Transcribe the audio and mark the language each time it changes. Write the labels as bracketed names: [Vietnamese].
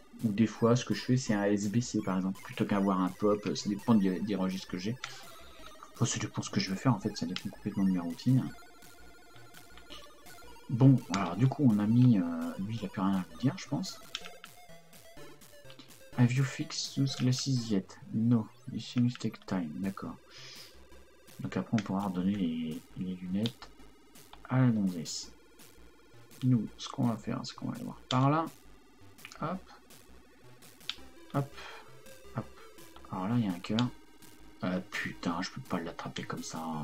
[French] Ou des fois, ce que je fais, c'est un SBC par exemple, plutôt qu'avoir un pop. Ça dépend des registres que j'ai. Oh, c'est pour ce que je veux faire en fait, ça dépend complètement de mes routines. Bon, alors du coup, on a mis. Lui, il a plus rien à vous dire, je pense. [English] Have you fixed those glasses yet? No, this seems to take time. [French] D'accord. Donc après, on pourra redonner les lunettes à la gonzesse. Nous, ce qu'on va faire, c'est qu'on va aller voir par là. Hop. Hop. Alors là, il y a un cœur. Putain, je peux pas l'attraper comme ça.